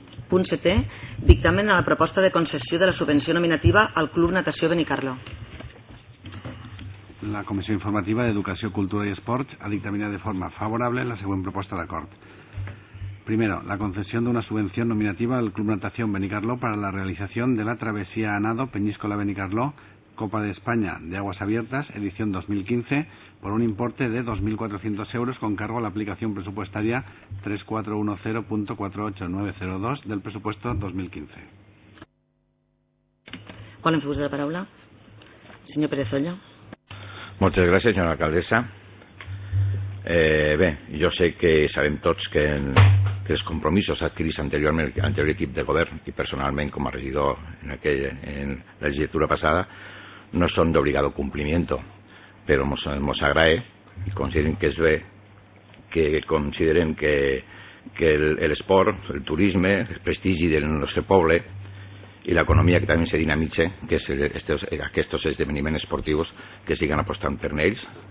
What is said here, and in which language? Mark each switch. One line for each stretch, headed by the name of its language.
Catalan: Punt 7è, dictamen a la proposta de concessió de la subvenció nominativa al Club Natació Benicarló. La Comissió Informativa d'Educació, Cultura i Esports ha dictaminat de forma favorable la següent proposta d'acord.
Spanish: Primero, la concesión de una subvención nominativa al Club Natación Benicarló para la realización de la travesía a nado Peñíscola-Benicarló, Copa de España de Aguas Abiertas, edición 2015, por un importe de 2.400 euros con cargo a la aplicación presupuestaria 3410.48902 del presupuesto 2015. ¿Cuál es su uso de la palabra? Señor Pérez Ollo. Muchas gracias, señora alcaldesa.
Catalan: Bé, jo sé que sabem tots que, que els compromisos adquirits anteriorment amb l'anterior equip de govern i personalment com a regidor en, aquella, en la legislatura passada no són d'obligat compliment, però ens agrae i considerem que és bé que considerem que l'esport, el turisme, el prestigi del nostre poble i l'economia que també se dinamitza, que és aquests esdeveniments esportius que siguen apostant per ells.